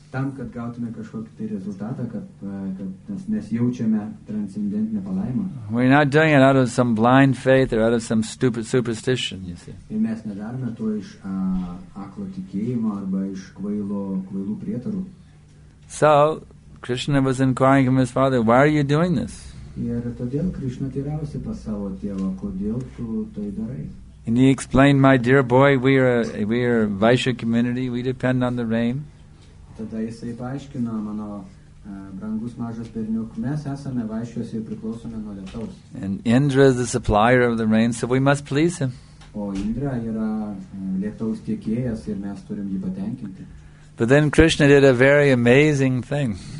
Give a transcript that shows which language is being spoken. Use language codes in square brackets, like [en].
[lt] Tam, kad gautume kažkokį tai rezultatą, kad mes jaučiame transcendentinę palaimą. [en] We're not doing it out of some blind faith or out of some stupid superstition, you see. [lt] Ir mes nedarome to iš aklo tikėjimo arba iš kvailų prietarų. [en] So, Krishna was inquiring from his father, why are you doing this? [lt] Ir todėl Krishna teiravosi pas savo tėvą, kodėl tu tai darai? [en] And he explained, "My dear boy, we are a Vaishya community, we depend on the rain." [lt] Tada jisai paaiškino, mano brangus mažas berniuk, mes esame vaišiuose ir priklausome nuo lietaus. [en] And Indra is the supplier of the rain, so we must please him. [lt] O Indra yra lietaus tiekėjas ir mes turim jį patenkinti. [en] But then Krishna did a very amazing thing.